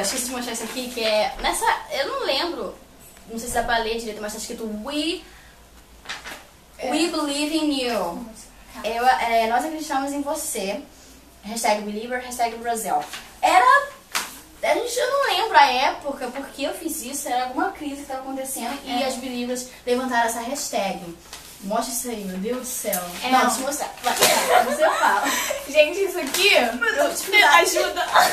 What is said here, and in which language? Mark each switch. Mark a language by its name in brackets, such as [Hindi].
[Portuguese] Esqueci de mostrar isso aqui, que é... Nessa... Eu não lembro. Não sei se dá pra ler direito, mas tá escrito [English] We believe in you. [Portuguese] Nós acreditamos em você. [English] Hashtag believer, hashtag Brazil. [Portuguese] Era... Eu não lembro a época porque eu fiz isso. Era alguma crise que tava acontecendo e as believers levantaram essa hashtag. Mostra isso aí, meu Deus do céu. É, não, deixa eu mostrar. Você fala. Gente, isso aqui... Me ajuda.